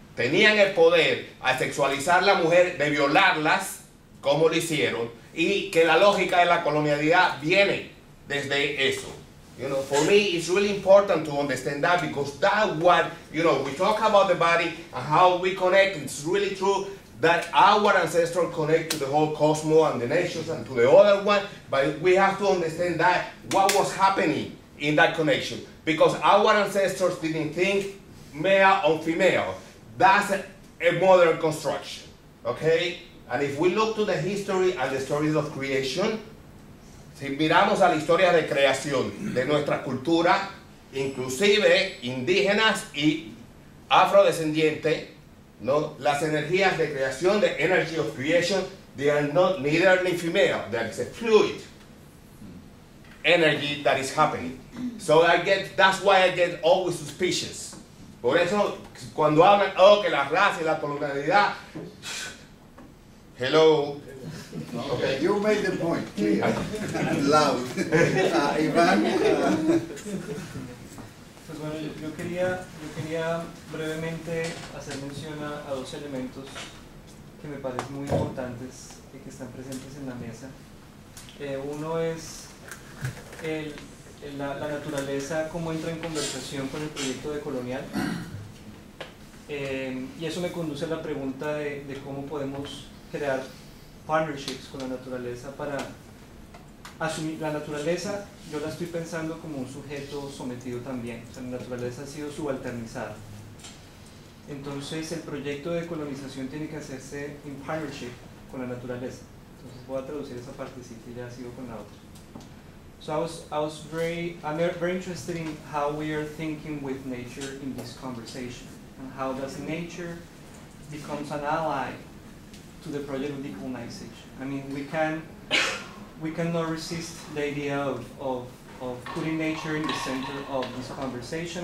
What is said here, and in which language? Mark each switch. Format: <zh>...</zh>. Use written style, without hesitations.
<es>Tenían el poder a sexualizar a la mujer, de violarlas, como lo hicieron, y que la lógica de la colonialidad viene desde eso.</es> <en>You know, for me, it's really important to understand that, because that what, you know, we talk about the body and how we connect, it's really true that our ancestors connect to the whole cosmos and the nations and to the other one, but we have to understand that what was happening in that connection, because our ancestors didn't think male or female. That's a modern construction, okay? And if we look to the history and the stories of creation,</en> <es>si miramos a la historia de creación de nuestra cultura, inclusive indígenas y afrodescendientes, ¿no? Las energías de creación,</es> <en>the energy of creation, they are not neither ni female, there is a fluid energy that is happening. So that's why I get always suspicious.</en> <es>Por eso, cuando hablan, oh, que la raza y la colonialidad, hello.</es> <en>Okay, you made the point, clear and loud. Iván.</en> <es>Pues bueno, yo quería brevemente hacer mención a dos elementos que me parecen muy importantes y que están presentes en la mesa. Uno es la naturaleza, cómo entra en conversación con el proyecto de colonial. Y eso me conduce a la pregunta de cómo podemos crear partnerships con la naturaleza para asumir la naturaleza. Yo la estoy pensando como un sujeto sometido también, o sea, la naturaleza ha sido subalternizada. Entonces el proyecto de colonización tiene que hacerse en partnership con la naturaleza. Entonces voy a traducir esa partecita y ya sigo con la otra.</es> <en>So I'm very interested in how we are thinking with nature in this conversation. And how does nature becomes an ally to the project of decolonization? I mean, we cannot resist the idea of putting nature in the center of this conversation.</en>